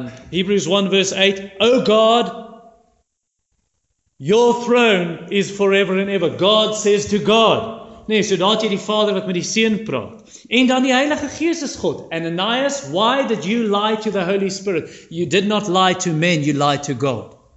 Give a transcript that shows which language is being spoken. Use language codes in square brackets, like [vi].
[en] Hebrews 1 verse 8, O God, your throne is forever and ever. God says to God. [af] Nee, so daar het jy die Vader wat met die Seun praat. En dan die Heilige Gees is God. [en] Ananias, why did you lie to the Holy Spirit? You did not lie to men, you lied to God.